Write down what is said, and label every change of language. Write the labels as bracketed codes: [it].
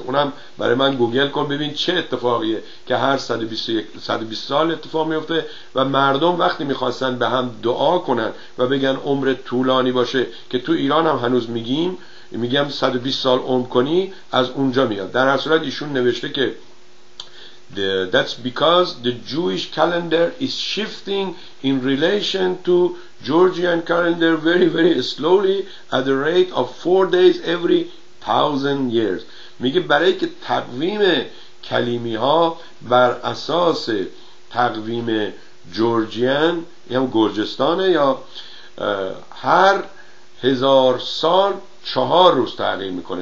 [fa] اونم برای من گوگل کن ببین چه اتفاقیه که هر 120 سال اتفاق میفته. و مردم وقتی میخواستن به هم دعا کنن و بگن عمر طولانی باشه، که تو ایران هم هنوز میگم 120 سال عمر کنی، از اونجا میاد. در اصل ایشون نوشته که [en] that's because the Jewish calendar is shifting in relation to Georgian calendar very very slowly at the rate of 4 days every 1,000 years. [fa] میگه برای که تقویم کلیمی ها بر اساس تقویم جورجیان یا گرجستانه، یا هر 1,000 سال 4 روز تغییر میکنه.